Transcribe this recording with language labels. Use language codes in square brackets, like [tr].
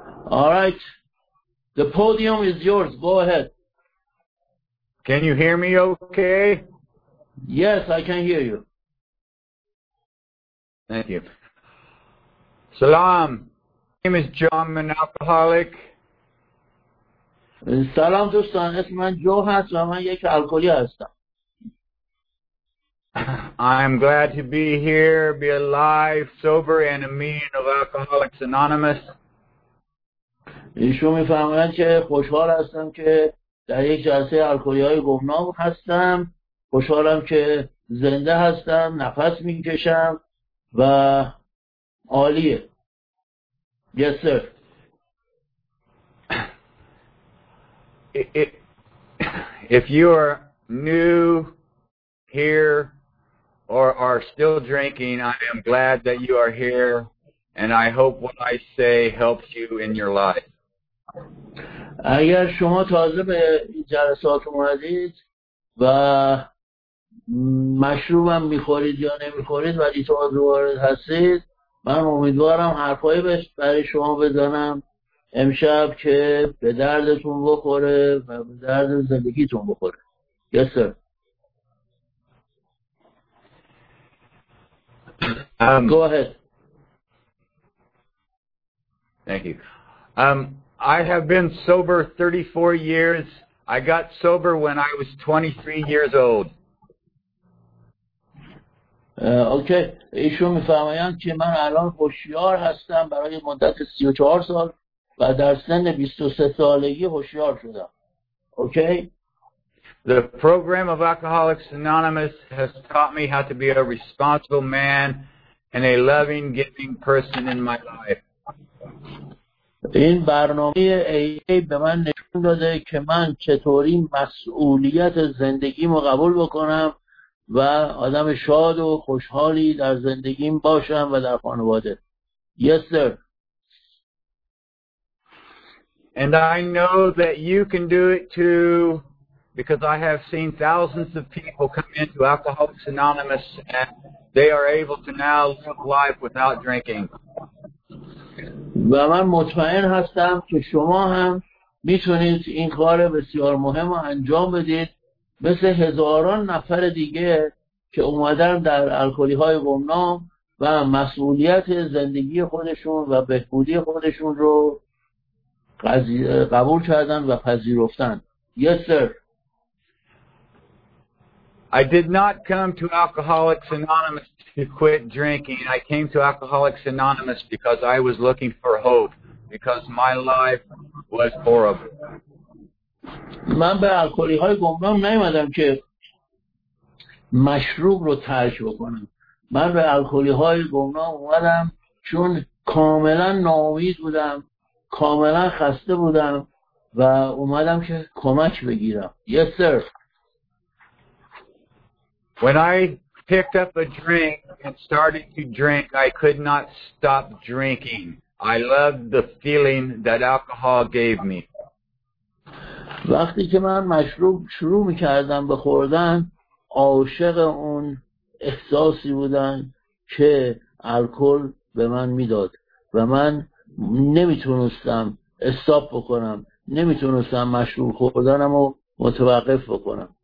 [en] Alright, the podium is yours. Go ahead. Can you hear me okay? Yes, I can hear you. Thank you. Salam. My name is John, an alcoholic. [fa] Salam, دوستان. اسم من جو هست و من یک الکلی هستم. [en] I'm glad to be here, be alive, sober, and a meeting of Alcoholics Anonymous. [fa] ایشون میفهمند که خوشحال هستم که در یک جلسه الکلی های گمنام هستم، خوشحالم که زنده هستم، نفس میکشم و عالیه. [en] Yes sir. If you are new here or are still drinking, I am glad that you are here and I hope what I say helps you in your life. [fa] اگر شما تازه به این جلسات اومدید و مشروبم میخورید یا نمیخورید و اعتماد وارد هستید، من امیدوارم حرفای برای شما بزنم امشب که به دردتون بخوره و به درد زندگیتون بخوره. [en] Yes sir. Go ahead. Thank you. I have been sober 34 years. I got sober when I was 23 years old. Okay. [fa] ایشون میفرمایند که من الان هوشیار هستم برای مدت 34 سال و در سن 23 سالگی هوشیار شدم. [en] Okay. The program of Alcoholics Anonymous has taught me how to be a responsible man and a loving, giving person in my life. [fa] این برنامه AA به من نشون داده که من چطوری مسئولیت زندگیمو قبول بکنم و آدم شاد و خوشحالی در زندگیم باشم و در خانواده. [en] Yes sir. And I know that you can do it too because I have seen thousands of people come into Alcoholics Anonymous and they are able to now live life without drinking. [fa] و من مطمئن هستم که شما هم میتونید این کار بسیار مهم رو انجام بدید، مثل هزاران نفر دیگه که اومدن در الکلی های گمنام و مسئولیت زندگی خودشون و بهبودی خودشون رو قبول کردن و پذیرفتن. [en] Yes sir. I did not come to Alcoholics Anonymous to quit drinking. I came to Alcoholics Anonymous because I was looking for hope because my life was horrible. [fa] من به الکلی های گمنام نیومدم که مشروب رو ترک بکنم. من به الکلی های گمنام اومدم چون کاملا ناامید بودم، کاملا خسته بودم و اومدم که کمک بگیرم. [en] Yes sir. When I picked up a drink and started to drink, I could not stop drinking. I loved the feeling that alcohol gave me. [fa] وقتی که من مشروب شروع می‌کردم به خوردن، عاشق اون احساسی بودم که الکل به من می‌داد و من نمی‌تونستم استاپ بکنم، نمی‌تونستم مشروب خوردنم رو متوقف بکنم.